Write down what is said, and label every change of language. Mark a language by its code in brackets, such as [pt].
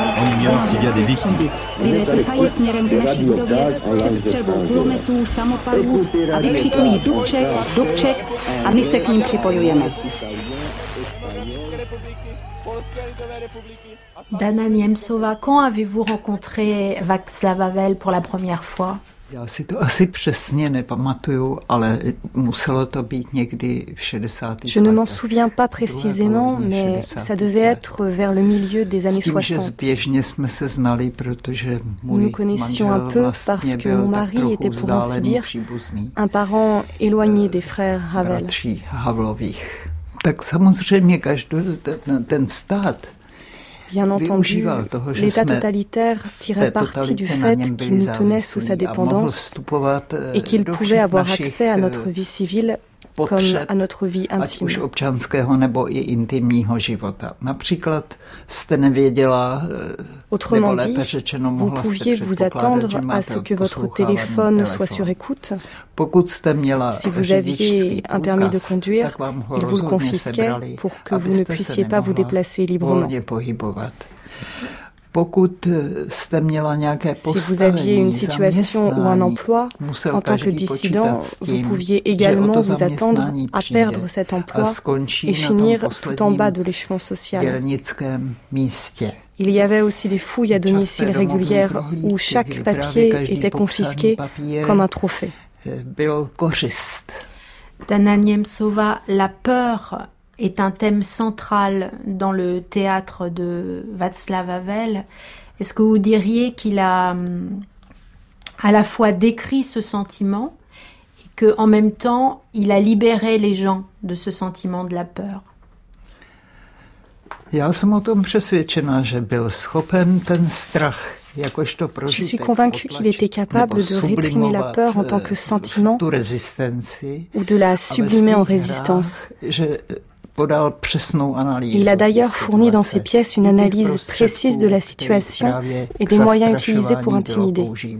[fr] On ignore s'il y a des victimes. Dana Niemcová, quand avez-vous rencontré Václav Havel pour la première fois? [cs] Já si to asi přesně nepamatuju, ale muselo to být někdy v 60. [fr] Je ne m'en souviens pas précisément, mais ça devait être vers le milieu des années 60. [cs] Běžně jsme se znali, protože můj manžel vlastně byl tak trochu vzdálený příbuzný. [fr] Un parent éloigné des frères Havel. [cs] Bratří Havlových. Tak samozřejmě každý ten stát. [fr] Bien entendu, l'État totalitaire tirait parti du fait qu'il nous tenait sous sa dépendance et qu'il pouvait avoir accès à notre vie civile comme à notre vie intime. [cs] Ať už občanského nebo i intimního života. Například jste nevěděla, [fr] autrement dit, vous pouviez vous attendre à ce que votre téléphone soit sur écoute. [cs] Pokud jste měla [fr] si vous aviez un permis de conduire, ils vous le confisquaient pour que vous ne puissiez pas vous déplacer librement. [cs] Pokud jste měla nějaké [fr] si vous aviez une situation ou un emploi, en tant que dissident, vous pouviez également vous attendre à perdre cet emploi et finir tout en bas de l'échelon social. Il y avait aussi des fouilles à domicile régulières où chaque papier était confisqué comme un trophée. [cs] Byl kořist. [fr] Dana Niemcová, la peur est un thème central dans le théâtre de Václav Havel. Est-ce que vous diriez qu'il a à la fois décrit ce sentiment et qu'en même temps, il a libéré les gens de ce sentiment de la peur? [cs] Já jsem o tom přesvědčená, že byl schopen ten strach. [fr] Je suis convaincu qu'il était capable de réprimer la peur en tant que sentiment ou de la sublimer en résistance. [cs] Že [fr] Il a d'ailleurs fourni dans ses pièces une analyse précise de la situation et des moyens utilisés pour intimider.